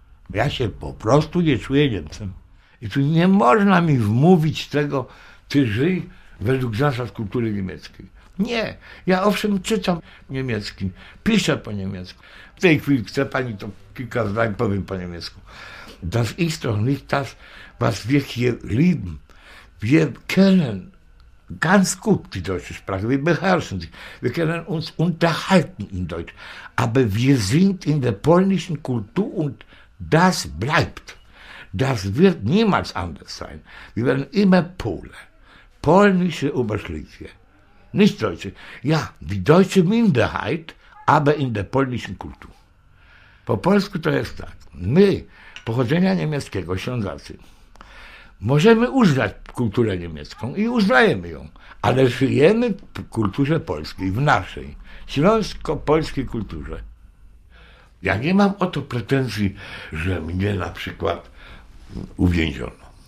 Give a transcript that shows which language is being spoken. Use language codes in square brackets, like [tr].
[pl] Ja się po prostu nie czuję Niemcem. I tu nie można mi wmówić tego, ty żyj według zasad kultury niemieckiej. Nie, ja owszem czytam niemieckim, piszę po niemiecku. W tej chwili chce pani to kilka zdań powiem po niemiecku. [de] Das ist doch nicht das, was wir hier lieben. Wir können ganz gut die deutsche Sprache, wir beherrschen sie. Wir können uns unterhalten in Deutsch. Aber wir sind in der polnischen Kultur und das bleibt. Das wird niemals anders sein. Wir werden immer Pole, polnische Oberschlesier. Nicht Deutsche. Ja, die deutsche Minderheit, aber in der polnischen Kultur. [pl] Po polsku to jest tak. My, pochodzenia niemieckiego, Ślązacy, możemy uznać kulturę niemiecką i uznajemy ją, ale żyjemy w kulturze polskiej, w naszej, śląsko-polskiej kulturze. Ja nie mam o to pretensji, że mnie na przykład uwięziono.